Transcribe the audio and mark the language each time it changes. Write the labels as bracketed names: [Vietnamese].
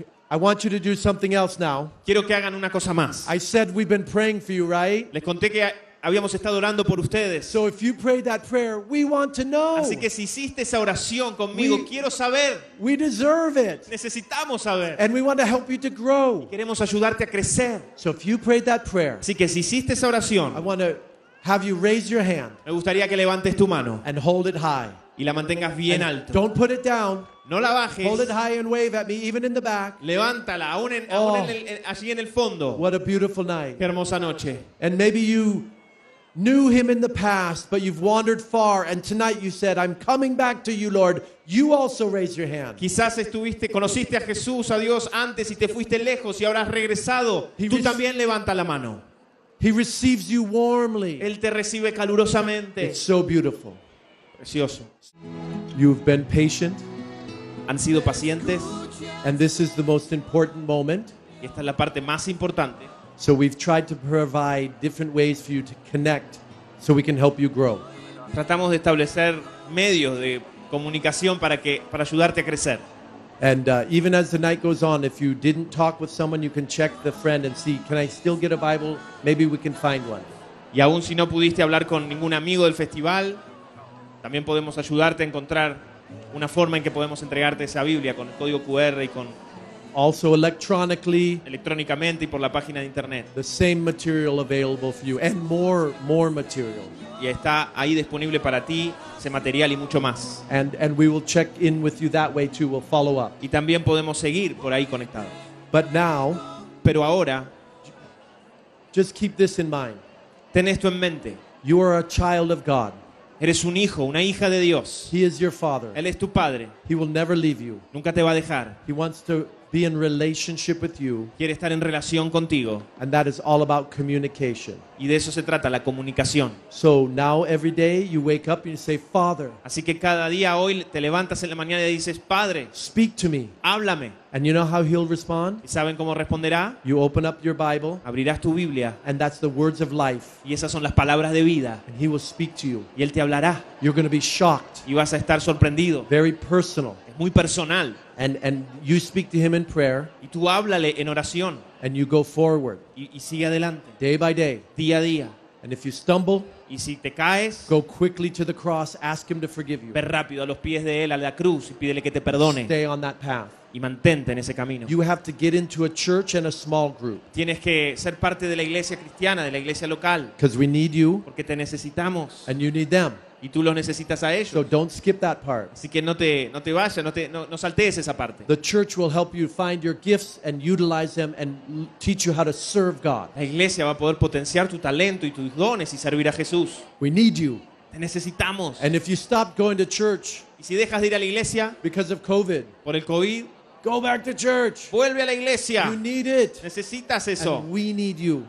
[English] I want you to do something else now. [Spanish] Quiero que hagan una cosa más. [English] I said we've been praying for you, right? [Spanish] Les conté que habíamos estado orando por ustedes. [English] So if you prayed that prayer, we want to know. [Spanish] Así que si hiciste esa oración conmigo, quiero saber. [English] We deserve it. [Spanish] Necesitamos saber. [English] And we want to help you to grow. [Spanish] Y queremos ayudarte a crecer. [English] So if you prayed that prayer, [Spanish] así que si hiciste esa oración, [English] I want to have you raise your hand. [Spanish] Me gustaría que levantes tu mano. [English] And hold it high. [Spanish] Y la mantengas bien alto. [English] Don't put it down. [Spanish] No la bajes. [English] Hold it high and wave at me, even in the back. [Spanish] Levántala, aún en, oh, allí en el fondo. [English] What a beautiful night. [Spanish] Qué hermosa noche. [English] And maybe you knew him in the past, but you've wandered far, and tonight you said, "I'm coming back to you, Lord." You also raise your hand. [Spanish] Quizás estuviste, conociste a Jesús, a Dios antes, y te fuiste lejos, y ahora has regresado. Tú también levanta la mano. [English] He receives you warmly. [Spanish] Él te recibe calurosamente. [English] It's so beautiful. [Spanish] Precioso. [English] You've been patient. [Spanish] Han sido pacientes. [English] And this is the most important moment. [Spanish] Y esta es la parte más importante. [English] So we've tried to provide different ways for you to connect so we can help you grow. [Spanish] Tratamos de establecer medios de comunicación para ayudarte a crecer. [English] And even as the night goes on, if you didn't talk with someone, you can check the friend and see, can I still get a Bible? Maybe we can find one. [Spanish] Y aún si no pudiste hablar con ningún amigo del festival, también podemos ayudarte a encontrar una forma en que podemos entregarte esa Biblia con el código QR y con [English] also electronically, [Spanish] electrónicamente y por la página de internet. [English] The same material available for you and more material. [Spanish] Y está ahí disponible para ti ese material y mucho más. [English] And we will check in with you that way too. We'll follow up. [Spanish] Y también podemos seguir por ahí conectado. [English] But now, [Spanish] pero ahora, [English] just keep this in mind. [Spanish] Ten esto en mente. [English] You are a child of God. [Spanish] Eres un hijo, una hija de Dios. [English] He is your father. [Spanish] Él es tu padre. [English] He will never leave you. [Spanish] Nunca te va a dejar. [English] He wants to be in relationship with you. [Spanish] Quiere estar en relación contigo. [English] And that is all about communication. [Spanish] Y de eso se trata, la comunicación. [English] So now every day you wake up and you say, Father. [Spanish] Así que cada día hoy te levantas en la mañana y dices, Padre. [English] Speak to me. [Spanish] Háblame. [English] And you know how he'll respond? [Spanish] ¿Y saben cómo responderá? [English] You open up your Bible. [Spanish] Abrirás tu Biblia. [English] And that's the words of life. [Spanish] Y esas son las palabras de vida. [English] And he will speak to you. [Spanish] Y él te hablará. [English] You're going to be shocked. [Spanish] Y vas a estar sorprendido. [English] Very personal. [Spanish] Es muy personal. [English] And you speak to him in prayer. [Spanish] Y tú háblale en oración. [English] And you go forward. [Spanish] Y sigue adelante. [English] Day by day. [Spanish] Día a día. [English] And if you stumble, [Spanish] y si te caes, [English] go quickly to the cross, ask him to forgive you. [Spanish] Ve rápido a los pies de él, a la cruz, y pídele que te perdone. [English] Stay on that path. [Spanish] Y mantente en ese camino. [English] You have to get into a church and a small group. [Spanish] Tienes que ser parte de la iglesia cristiana, de la iglesia local. [English] Because we need you. [Spanish] Porque te necesitamos. [English] And you need them. [Spanish] Y tú los necesitas a ellos. [English] So don't skip that part. [Spanish] Así que no te vayas, no saltees esa parte. [English] The church will help you find your gifts and utilize them and teach you how to serve God. [Spanish] La iglesia va a poder potenciar tu talento y tus dones y servir a Jesús. [English] We need you. [Spanish] Te necesitamos. [English] And if you stop going to church, [Spanish] y si dejas de ir a la iglesia, [English] because of COVID, [Spanish] por el COVID, [English] go back to church. [Spanish] Vuelve a la iglesia. [English] You need it. [Spanish] Necesitas eso. [English] And we need you.